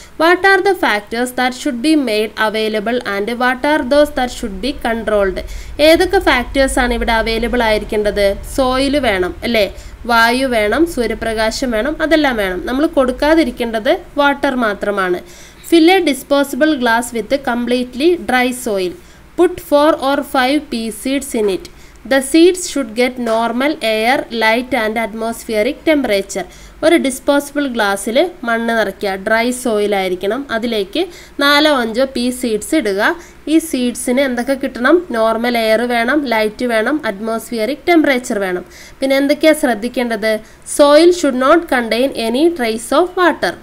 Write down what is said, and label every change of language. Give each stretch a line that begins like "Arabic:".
English: What are the factors that should be made available and what are those that should be controlled?
Malayalam: ഏതൊക്കെ ഫാക്ടേഴ്സാണ് ഇവിടെ available ആയിരിക്കേണ്ടത്? Soil വേണം അല്ലേ, വായു വേണം, സൂര്യപ്രകാശം വേണം, അതെല്ലാം വേണം. നമ്മൾ കൊടുക്കാതിരിക്കേണ്ടത് വാട്ടർ മാത്രമാണ്.
English: Fill a disposable glass with completely dry soil. Put 4 or 5 pea seeds in it. The seeds should get normal air, light and atmospheric temperature.
Malayalam: ഒരു ഡിസ്പോസിബിൾ ഗ്ലാസ്സിൽ മണ്ണ് നിറയ്ക്കുക, ഡ്രൈ സോയിലായിരിക്കണം. അതിലേക്ക് 4 or 5 പീ സീഡ്സ് ഇടുക. ഈ സീഡ്സിന് എന്തൊക്കെ കിട്ടണം? നോർമൽ എയർ വേണം, light വേണം, അറ്റ്മോസ്ഫിയറിക് ടെമ്പറേച്ചർ വേണം. പിന്നെ എന്തൊക്കെയാണ് ശ്രദ്ധിക്കേണ്ടത്?
English: Soil should not contain any trace of water.